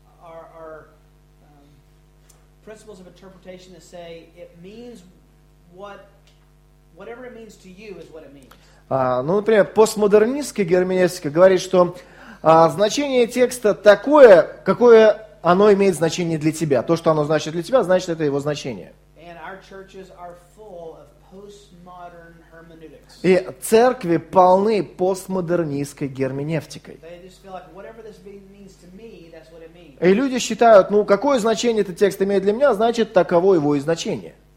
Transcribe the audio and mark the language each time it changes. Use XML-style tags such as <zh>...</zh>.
<en>Are principles of interpretation that say it means whatever it means to you is what it means.</en> <ru>Ну, например, постмодернистская герменевтика говорит, что значение текста такое, какое оно имеет значение для тебя. То, что оно значит для тебя, значит, это его значение.</ru> <en>And our churches are full of postmodern hermeneutics.</en> <ru>И церкви полны постмодернистской герменевтикой.</ru> <en>They just feel like whatever this means to me.</en> <ru>И люди считают: ну, какое значение этот текст имеет для меня, значит, таково его и значение.</ru>